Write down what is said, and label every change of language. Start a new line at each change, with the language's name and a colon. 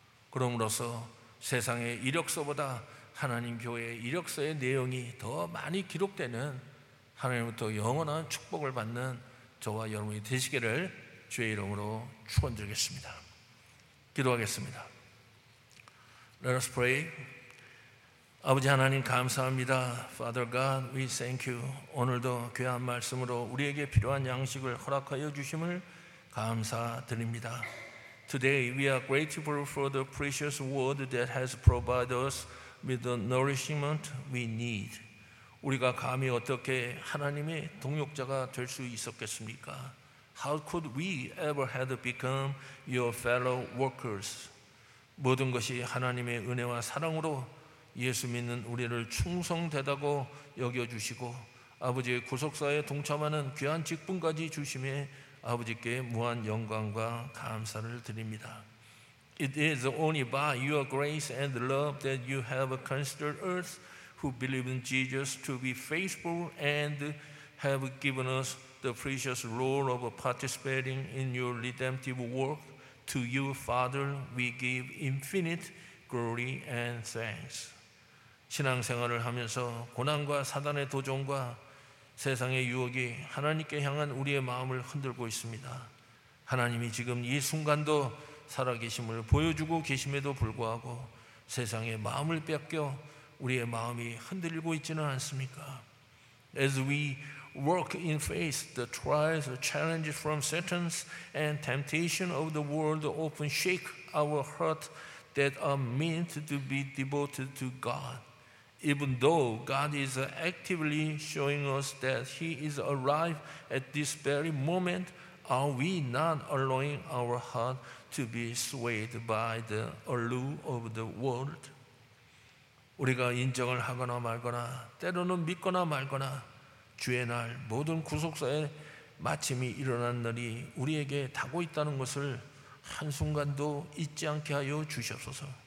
Korean: 그러므로서 세상의 이력서보다 하나님 교회의 이력서의 내용이 더 많이 기록되는 하나님부터 영원한 축복을 받는 저와 여러분이 되시기를 주의 이름으로 축원드리겠습니다. 기도하겠습니다.
English: Let us pray.
Korean: 아버지 하나님 감사합니다.
English: Father God, we thank you.
Korean: 오늘도 귀한 말씀으로 우리에게 필요한 양식을 허락하여 주심을 감사드립니다.
English: Today we are grateful for the precious word that has provided us with the nourishment we need.
Korean: 우리가 감히 어떻게 하나님의 동역자가 될 수 있었겠습니까?
English: How could we ever have become your fellow workers?
Korean: 모든 것이 하나님의 은혜와 사랑으로 예수 믿는 우리를 충성되다고 여겨주시고 아버지의 구속사에 동참하는 귀한 직분까지 주심에 아버지께 무한 영광과 감사를 드립니다.
English: It is only by your grace and love that you have considered us who believe in Jesus to be faithful and have given us the precious role of participating in your redemptive work. To you, Father, we give infinite glory and thanks.
Korean: 신앙생활을 하면서 고난과 사단의 도전과 세상의 유혹이 하나님께 향한 우리의 마음을 흔들고 있습니다. 하나님이 지금 이 순간도 살아계심을 보여주고 계심에도 불구하고 세상의 마음을 뺏겨 우리의 마음이 흔들리고 있지는 않습니까?
English: As we work in faith, the trials, the challenges from Satan and temptation of the world often shake our hearts that are meant to be devoted to God. Even though God is actively showing us that He is alive at this very moment, are we not allowing our heart to be swayed by the allure of the world?
Korean: 우리가 인정을 하거나 말거나 때로는 믿거나 말거나 주의 날 모든 구속사에 마침이 일어난 날이 우리에게 다고 있다는 것을 한순간도 잊지 않게 하여 주시옵소서.